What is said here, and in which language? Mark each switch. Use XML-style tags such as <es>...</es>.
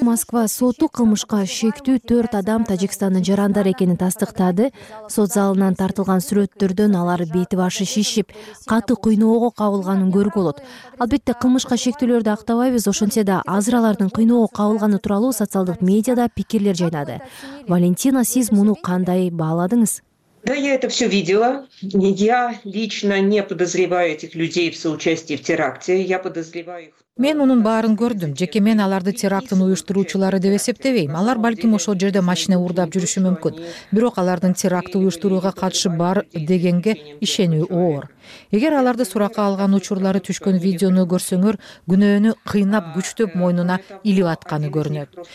<ky>Москва соту кылмышка шектүү 4 адам Тажикстандын жарандары экенин тастыктады. Сот залынан тартылган сүрөттөрдөн алар бети башы шишип, катты кыйноого кабылганын көрүп болот. Албетте кылмышка шектүүлөрдү актабайбыз, ошентсе да азыр алардын кыйноого кабылганы тууралуу социалдык медиада пикирлер жайнады. Валентина, сиз муну кандай бааладыңыз?</ky> <ru>Да, я это все видела. Я лично не подозреваю этих людей в соучастии в теракте. Я подозреваю их.</ru> <ky>Мен мунун баарын көрдүм. Жеке мен аларды терактын уюштуруучулары деп эсептебейм. Алар балким ошол жерде машина урдап жүрүшү мүмкүн. Бирок алардын теракты уюштурууга катышы бар дегенге ишенүү оор. Эгер аларды суракка алган учурлары түшкөн видеону көрсөңөр, күнөөнү кыйнап, күчтөп мойнуна илип атканы көрүнөт.</ky>